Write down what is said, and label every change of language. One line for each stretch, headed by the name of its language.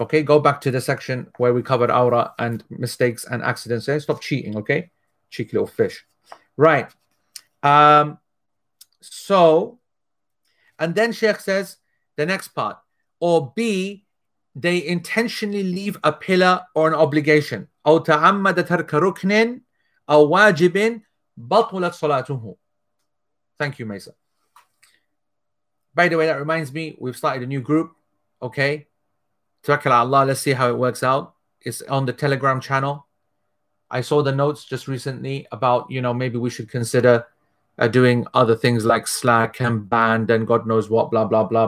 English: Okay, go back to the section where we covered aura and mistakes and accidents. Okay? Stop cheating. Okay, cheeky little fish. Right. So, and then Sheikh says the next part, or B, they intentionally leave a pillar or an obligation.
Arabic: أو تعمد ترك ركن أو واجب بطلت صلاته.
English: Thank you, Mesa. By the way, that reminds me, we've started a new group. Okay. Tawakkal Allah. Let's see how it works out. It's on the Telegram channel. I saw the notes just recently about, you know, maybe we should consider doing other things like Slack and Band and God knows what, blah, blah, blah.